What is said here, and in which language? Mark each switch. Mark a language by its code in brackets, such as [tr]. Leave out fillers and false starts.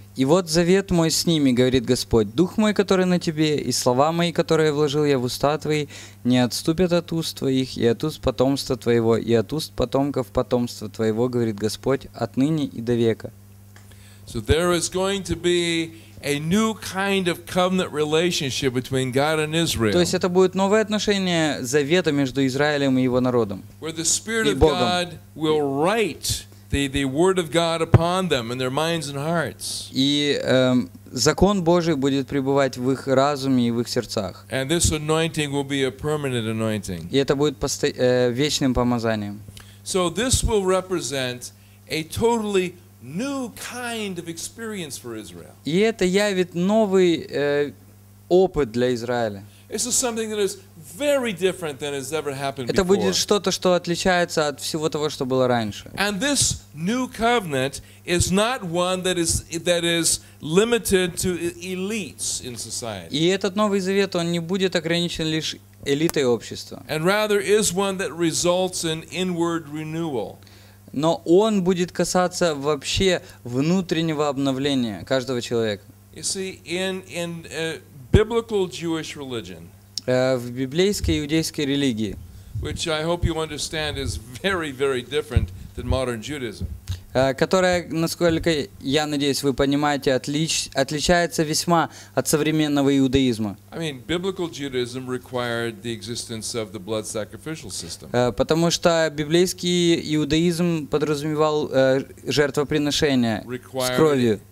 [ru] И вот завет мой с ними, говорит Господь, Дух мой, который на тебе, и слова мои, которые вложил я в уста твои, не отступят от уст твоих и от уст потомства твоего, и от уст потомков потомства твоего, говорит Господь, отныне и до века. [en] So there is going to be a new kind of covenant relationship between God and Israel. [ru] То есть это будет новое отношение завета между Израилем и его народом. [en] Where the Spirit of God will write the word of God upon them in their minds and hearts. [ru] И закон Божий будет пребывать в их разуме и в их сердцах. [en] And this anointing will be a permanent anointing. [ru] И это будет вечным помазанием. [en] So this will represent a totally new kind of experience for Israel. [ru] И это явит новый опыт для Израиля. [en] This is something that is very different than has ever happened before. [ru] Это будет что-то, что отличается от всего того, что было раньше. [en] And this new covenant is not one that is limited to elites in society. [ru] И этот новый завет, он не будет ограничен лишь элитой общества. [en] And rather is one that results in inward renewal. [ru] Но он будет касаться вообще внутреннего обновления каждого человека. [en] You see, in biblical Jewish religion. [ru] В библейской иудейской религии. [en] Which I hope you understand is very, very different than modern Judaism. [ru] Которая, насколько я надеюсь, вы понимаете, отличается весьма от современного иудаизма. [en] I mean, biblical Judaism required the existence of the blood sacrificial system. [ru] Потому что библейский иудаизм подразумевал жертвоприношение с кровью.